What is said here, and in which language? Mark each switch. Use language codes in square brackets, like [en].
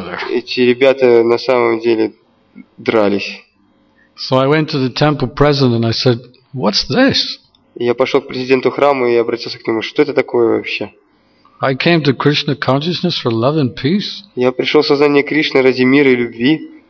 [ru] Эти ребята на самом деле дрались. [en] So I went to the temple president and I said, "What's this?" [ru] Я пошел к президенту храма и обратился к нему: "Что это такое вообще?" [en] I came to Krishna consciousness for love and peace. [ru] Я пришел в сознание Кришны ради мира и любви.